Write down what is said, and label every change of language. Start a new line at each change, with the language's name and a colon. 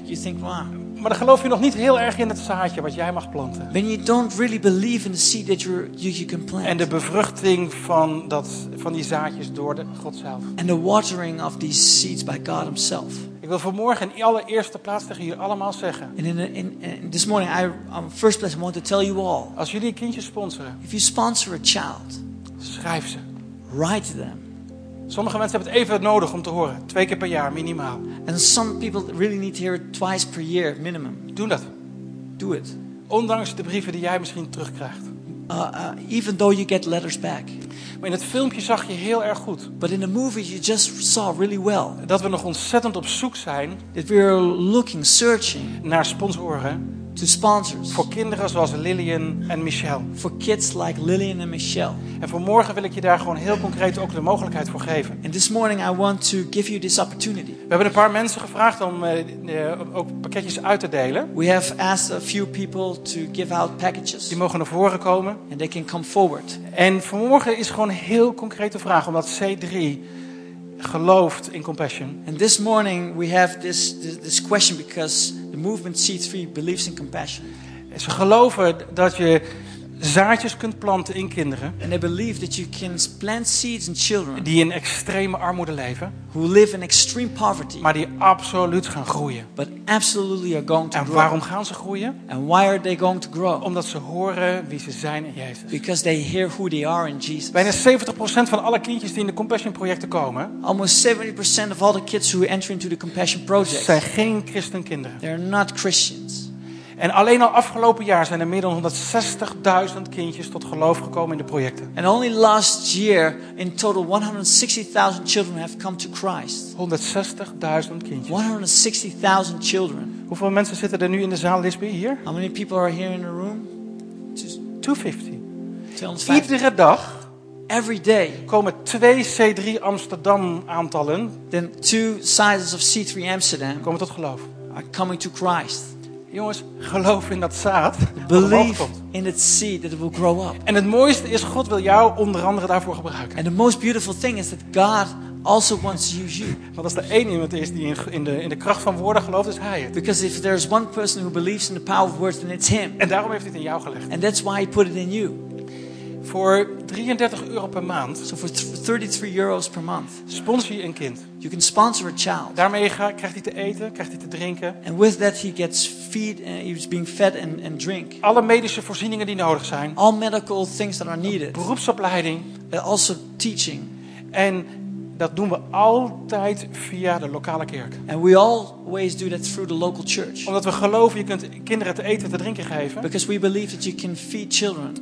English: You think, wow.
Dutch: Maar dan geloof je nog niet heel erg in het zaadje wat jij mag planten.
English: When you don't really believe in the seed that you can plant.
Dutch: En de bevruchting van dat van die zaadjes door de God zelf.
English: And the watering of these seeds by God Himself.
Dutch: Ik wil vanmorgen in allereerste plaats tegen jullie allemaal zeggen.
English: And in this morning I'm first place I want to tell you all.
Dutch: Als jullie een kindje sponsoren.
English: If you sponsor a child.
Dutch: Schrijf ze.
English: Write them.
Dutch: Sommige mensen hebben het even nodig om te horen. Twee keer per jaar, minimaal.
English: And some people really need to hear it twice per year, minimum.
Dutch: Doe dat.
English: Do it.
Dutch: Ondanks de brieven die jij misschien terugkrijgt.
English: Even though you get letters back.
Dutch: Maar in het filmpje zag je heel erg goed.
English: But in the movie you just saw really well.
Dutch: Dat we nog ontzettend op zoek zijn.
English: That we are looking, searching.
Dutch: Naar sponsoren.
English: To sponsors.
Dutch: Voor kinderen zoals Lillian en Michelle.
English: For kids like Lillian and Michelle.
Dutch: En vanmorgen wil ik je daar gewoon heel concreet ook de mogelijkheid voor geven.
English: And this morning I want to give you this opportunity.
Dutch: We hebben een paar mensen gevraagd om ook pakketjes uit te delen.
English: We have asked a few people to give out packages.
Dutch: Die mogen naar voren komen.
English: And they can come forward.
Dutch: En vanmorgen is gewoon een heel concrete vraag omdat C3 gelooft in compassion.
English: And this morning we have this question because the movement C3 believes in compassion.
Dutch: Ze geloven dat je zaadjes kunt planten in kinderen.
English: And they believe that you can plant seeds in children.
Dutch: Die in extreme armoede leven.
English: Who live in extreme poverty.
Dutch: Maar die absoluut gaan groeien.
English: But absolutely are going to grow.
Dutch: En waarom gaan ze groeien?
English: And why are they going to grow?
Dutch: Omdat ze horen wie ze zijn in Jezus.
English: Because they hear who they are in Jesus.
Dutch: Bijna 70% van alle kindjes die in de Compassion projecten komen.
English: Almost 70% of all the kids who enter into the Compassion project.
Dutch: Zijn geen christenkinderen.
English: They're not Christians.
Dutch: En alleen al afgelopen jaar zijn er meer dan 160.000 kindjes tot geloof gekomen in de projecten.
English: And only last year in total 160.000 children have come to Christ.
Dutch: 160.000 kindjes.
English: 160.000 children.
Dutch: Hoeveel mensen zitten er nu in de zaal, Lisby, hier?
English: How many people are here in the room?
Dutch: 250. Iedere dag.
English: Every day.
Dutch: Komen twee C3 Amsterdam aantallen.
English: Then two sizes of C3 Amsterdam.
Dutch: Komen tot geloof.
English: Are coming to Christ.
Dutch: Jongens, geloof in dat zaad.
English: Believe in that seed that it will grow up.
Dutch: En het mooiste is, God wil jou onder andere daarvoor gebruiken.
English: And the most beautiful thing is that God also wants to use you.
Dutch: Want als er één iemand is die in de kracht van woorden gelooft, is hij het.
English: Because if there is one person who believes in the power of words, then it's him.
Dutch: En daarom heeft hij het in jou gelegd.
English: And that's why he put it in you.
Dutch: Voor 33 euro per maand.
English: So for 33 euros per month.
Dutch: Sponsor je een kind.
English: You can sponsor a child.
Dutch: Daarmee krijgt hij te eten, krijgt hij te drinken.
English: And with that he gets feed and he's being fed and drink.
Dutch: Alle medische voorzieningen die nodig zijn.
English: All medical things that are needed.
Dutch: Beroepsopleiding.
English: And also teaching.
Dutch: En dat doen we altijd via de lokale kerk.
English: And we always do that through the local church.
Dutch: Omdat we geloven je kunt kinderen te eten en te drinken geven.
English: Because we believe that you can feed children.